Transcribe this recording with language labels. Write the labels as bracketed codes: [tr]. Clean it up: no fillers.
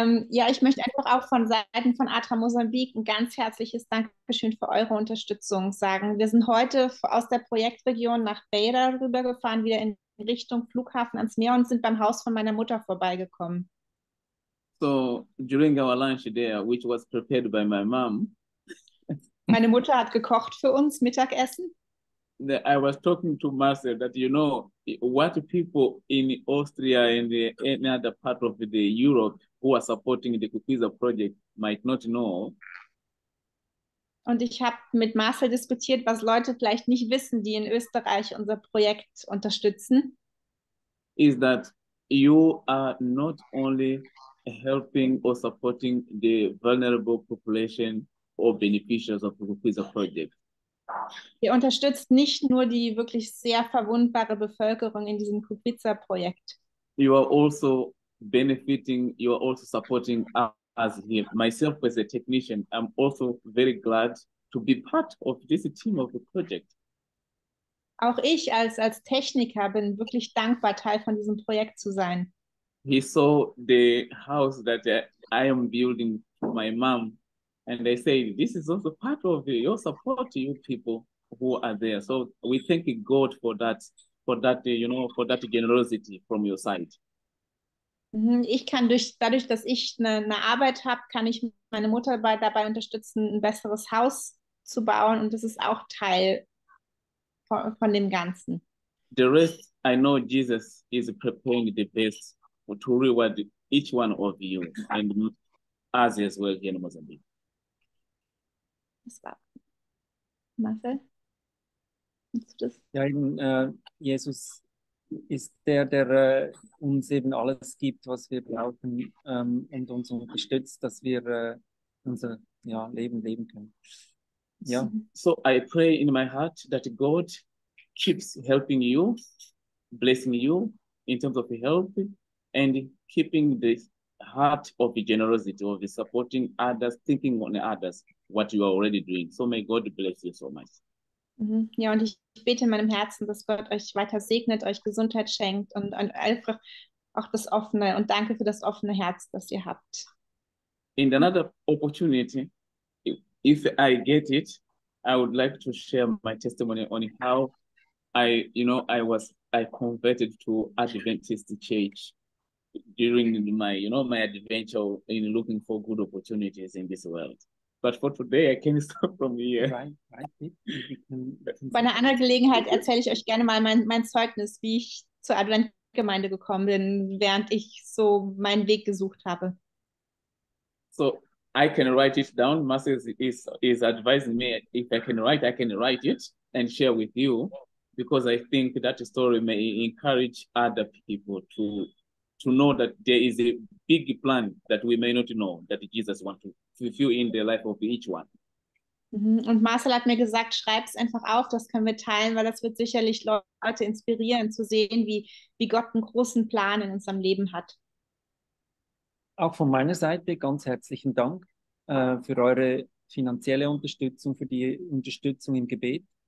[de] Ja, ich möchte einfach auch von Seiten von ADRA Mosambik ein ganz herzliches Dankeschön für eure Unterstützung sagen. Wir sind heute aus der Projektregion nach Beira rübergefahren, wieder in Richtung Flughafen ans Meer und sind beim Haus von meiner Mutter vorbeigekommen. [en] So, during our lunch there, which was prepared by my mom. [de] Meine Mutter hat gekocht für uns, Mittagessen. [en] I was talking to Marcel that, you know, what people in Austria and any other part of the Europe who are supporting the Kukwiza project might not know. [de] Und ich habe mit Marcel diskutiert, was Leute vielleicht nicht wissen, die in Österreich unser Projekt unterstützen. [en] Is that you are not only helping or supporting the vulnerable population or beneficiaries of the Kukwiza project. [de] Ihr unterstützt nicht nur die wirklich sehr verwundbare Bevölkerung in diesem Kupitzer-Projekt. [en] You are also benefiting, you are also supporting us here. Myself as a technician, I'm also very glad to be part of this team of the project. [de] Auch ich als Techniker bin wirklich dankbar, Teil von diesem Projekt zu sein. [en] He saw the house that I am building for my mom. And they say, this is also part of your support to you people who are there. So we thank God for that generosity from your side. [de] Ich kann dadurch, dass ich eine Arbeit habe, kann ich meine Mutter dabei unterstützen, ein besseres Haus zu bauen. Und das ist auch Teil von dem Ganzen. [en] The rest, I know Jesus is preparing the best to reward each one of you and us as well here in Mozambique. Marcel? [de] Ja, Jesus ist der, der uns eben alles gibt, was wir brauchen und uns unterstützt, dass wir unser Leben leben können. Ja. [en] So I pray in my heart that God keeps helping you, blessing you in terms of help and keeping the heart of the generosity, of the supporting others, thinking on others. What you are already doing. So may God bless you so much. [de] Ja, und ich bete in meinem Herzen, dass Gott euch weiter segnet, euch Gesundheit schenkt und einfach auch das offene und danke für das offene Herz, das ihr habt. [en] In another opportunity, if I get it, I would like to share my testimony on how I converted to Adventist Church during my adventure in looking for good opportunities in this world. But for today, I can stop from here. [de] Bei einer anderen Gelegenheit erzähle ich euch gerne mal mein Zeugnis, wie ich zur Adventgemeinde gekommen bin, während ich so meinen Weg gesucht habe. [en] So, I can write it down. Marcel is advising me, if I can write it and share with you, because I think that story may encourage other people to know that there is a big plan that we may not know that Jesus wants to fulfill in the life of each one. [de] Und Marcel hat mir gesagt, schreib es einfach auf, das können wir teilen, weil das wird sicherlich Leute inspirieren, zu sehen, wie Gott einen großen Plan in unserem Leben hat. Auch von meiner Seite ganz herzlichen Dank für eure finanzielle Unterstützung, für die Unterstützung im Gebet.